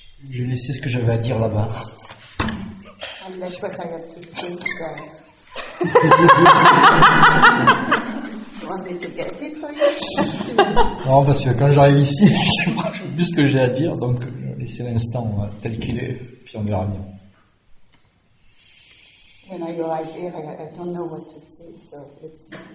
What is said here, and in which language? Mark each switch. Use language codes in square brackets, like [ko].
[fr] Je laissais ce que j'avais à dire là-bas. [en] I left what I had to say there. You want me to get it for you? [fr] Non, parce que quand j'arrive ici, je ne sais plus ce que j'ai à dire, donc je vais laisser l'instant tel qu'il est, puis on verra bien. [en] When I arrive here, I don't know what to say, so let's see.